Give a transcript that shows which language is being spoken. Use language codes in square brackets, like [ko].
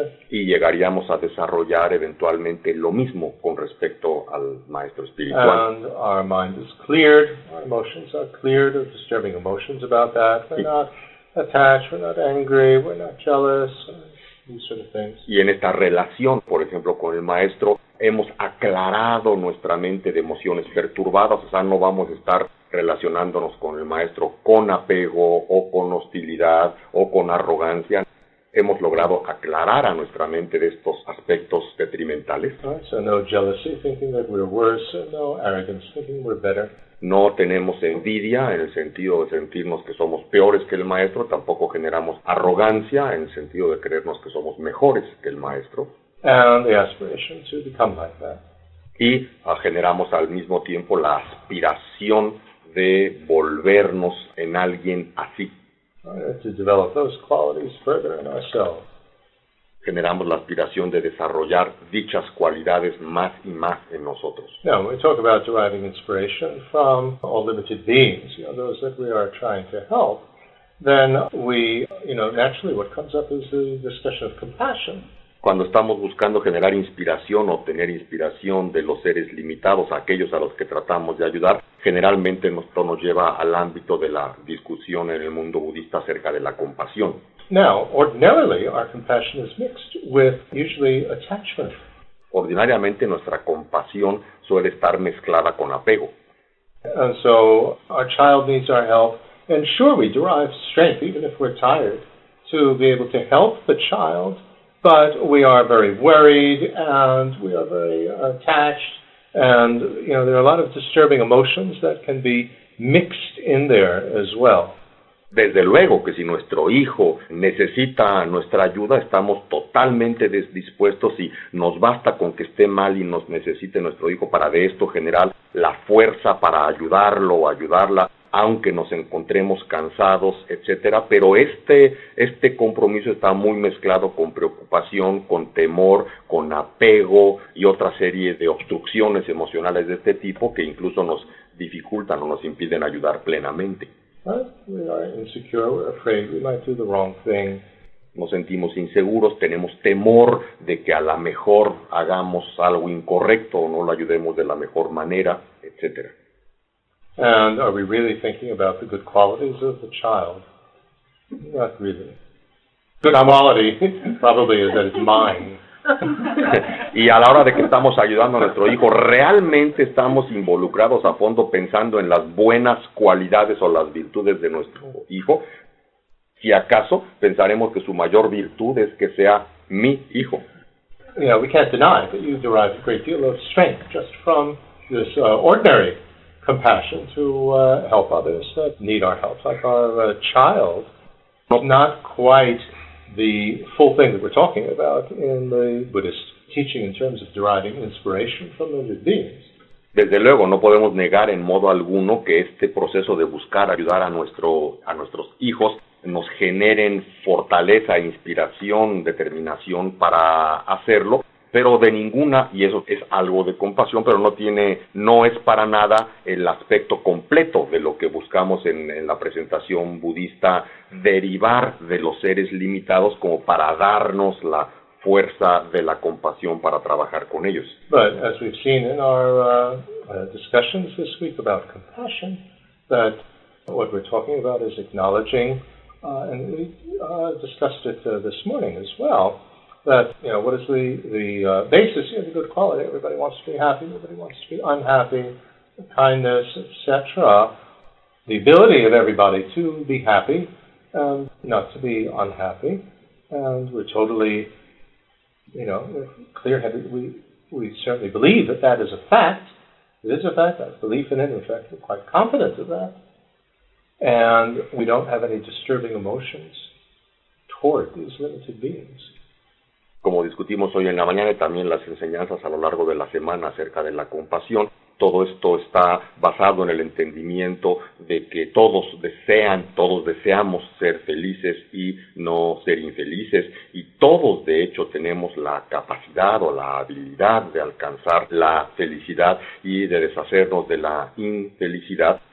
[es] Y llegaríamos a desarrollar eventualmente lo mismo con respecto al maestro espiritual. [en] And our mind is cleared, our emotions are cleared of disturbing emotions about that. We're not attached, we're not angry, we're not jealous, these sort of things. [es] Y en esta relación, por ejemplo, con el maestro, hemos aclarado nuestra mente de emociones perturbadas, o sea, no vamos a estar relacionándonos con el maestro con apego o con hostilidad o con arrogancia. Hemos logrado aclarar a nuestra mente de estos aspectos detrimentales. [en] Right, so no jealousy, thinking that we're worse, no arrogance, thinking we're better. [es] No tenemos envidia en el sentido de sentirnos que somos peores que el maestro, tampoco generamos arrogancia en el sentido de creernos que somos mejores que el maestro. [en] And the aspiration to become like that. [es] Y generamos al mismo tiempo la aspiración de volvernos en alguien así. [en] To develop those qualities further in ourselves. [es] Generamos la aspiración de desarrollar dichas cualidades más y más en nosotros. [en] Now, we talk about deriving inspiration from all limited beings, you know, those that we are trying to help, then we, you know, naturally what comes up is the discussion of compassion. [es] Cuando estamos buscando generar inspiración, obtener inspiración de los seres limitados, aquellos a los que tratamos de ayudar, generalmente esto nos lleva al ámbito de la discusión en el mundo budista acerca de la compasión. [en] Now, ordinarily, our compassion is mixed with usually attachment. [es] Ordinariamente, nuestra compasión suele estar mezclada con apego. [en] And so, our child needs our help, and sure, we derive strength, even if we're tired, to be able to help the child. But we are very worried, and we are very attached, and, you know, there are a lot of disturbing emotions that can be mixed in there as well. [es] Desde luego que si nuestro hijo necesita nuestra ayuda, estamos totalmente dispuestos y nos basta con que esté mal y nos necesite nuestro hijo para de esto generar la fuerza para ayudarlo o ayudarla, aunque nos encontremos cansados, etcétera, pero este compromiso está muy mezclado con preocupación, con temor, con apego y otra serie de obstrucciones emocionales de este tipo que incluso nos dificultan o nos impiden ayudar plenamente. [en] We are insecure, we're afraid we might do the wrong thing. [es] Nos sentimos inseguros, tenemos temor de que a lo mejor hagamos algo incorrecto o no lo ayudemos de la mejor manera, etcétera. [en] And are we really thinking about the good qualities of the child? Not really. Good quality probably is that it's mine. [es] Y a la hora de que estamos ayudando a nuestro hijo, ¿realmente estamos involucrados a fondo pensando en las buenas cualidades o las virtudes de nuestro hijo? Si acaso pensaremos que su mayor virtud es que sea mi hijo. [en] You know, we can't deny that you derive a great deal of strength just from this ordinary compassion to help others that need our help, like our child. Not quite the full thing that we're talking about in the Buddhist teaching in terms of deriving inspiration from other beings. [es] Desde luego, no podemos negar en modo alguno que este proceso de buscar ayudar a nuestros hijos nos generen fortaleza, inspiración, determinación para hacerlo, pero de ninguna, y eso es algo de compasión, pero no es para nada el aspecto completo de lo que buscamos en la presentación budista, derivar de los seres limitados como para darnos la fuerza de la compasión para trabajar con ellos. [en] But as we've seen in our discussions this week about compassion, that what we're talking about is acknowledging, and we discussed it this morning as well, that, you know, what is the basis of the good quality? Everybody wants to be happy, nobody wants to be unhappy, kindness, etc. The ability of everybody to be happy and not to be unhappy, and we're totally, you know, clear-headed. We certainly believe that that is a fact. It is a fact. That belief in it, in fact, we're quite confident of that. And we don't have any disturbing emotions toward these limited beings. [es] Como discutimos hoy en la mañana y también las enseñanzas a lo largo de la semana acerca de la compasión, todo esto está basado en el entendimiento de que todos deseamos ser felices y no ser infelices, y todos de hecho tenemos la capacidad o la habilidad de alcanzar la felicidad y de deshacernos de la infelicidad.